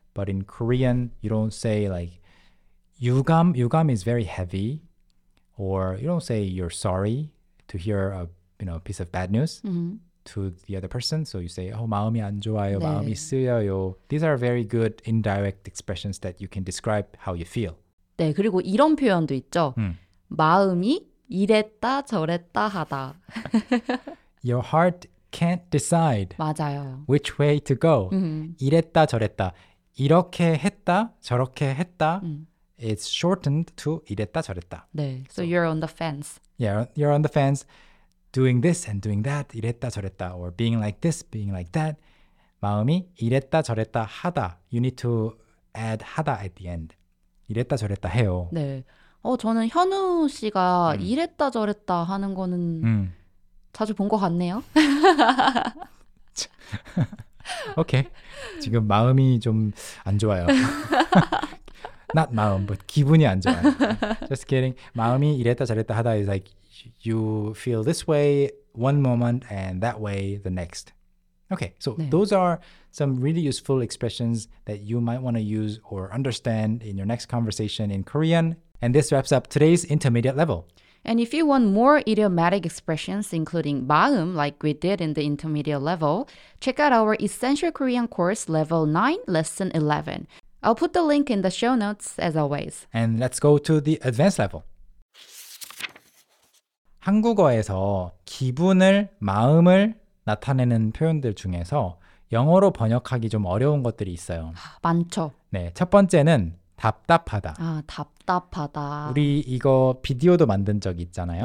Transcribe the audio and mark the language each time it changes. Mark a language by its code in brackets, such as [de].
[en] But in Korean, you don't say like 유감. 유감 is very heavy. Or you don't say you're sorry to hear a, you know, piece of bad news mm-hmm. to the other person. So you say, oh, [ko] 마음이 안 좋아요, 네. 마음이 쓰여요. [en] These are very good indirect expressions that you can describe how you feel. [ko] 네, 그리고 이런 표현도 있죠. 마음이 이랬다 저랬다 하다. [en] Your heart can't decide [ko] 맞아요. [en] Which way to go. Mm-hmm. [ko] 이랬다 저랬다. 이렇게 했다 저렇게 했다. [en] It's shortened to 이랬다 저랬다. 네, so you're on the fence. Yeah, you're on the fence doing this and doing that, [ko] 이랬다 저랬다, [en] or being like this, being like that. [ko] 마음이 이랬다 저랬다 하다. [en] You need to add 하다 at the end. [ko] 이랬다 저랬다 해요. 네, 저는 현우 씨가 이랬다 저랬다 하는 거는 자주 본 것 같네요. Okay, 지금 마음이 좀 안 좋아요. Not 마음, but 기분이 안 좋아요. [en] Just kidding. [ko] 마음이 이랬다 저랬다 하다 [en] is like you feel this way one moment and that way the next. Okay, so 네. those are some really useful expressions that you might want to use or understand in your next conversation in Korean. And this wraps up today's intermediate level. And if you want more idiomatic expressions, including 마음, like we did in the intermediate level, check out our Essential Korean course, Level 9, Lesson 11. I'll put the link in the show notes, as always. And let's go to the advanced level. [ko] 한국어에서 기분을, 마음을 나타내는 표현들 중에서 영어로 번역하기 좀 어려운 것들이 있어요. 많죠. 네, 첫 번째는 답답하다. 아, 답답하다. 우리 이거 비디오도 만든 적 있잖아요.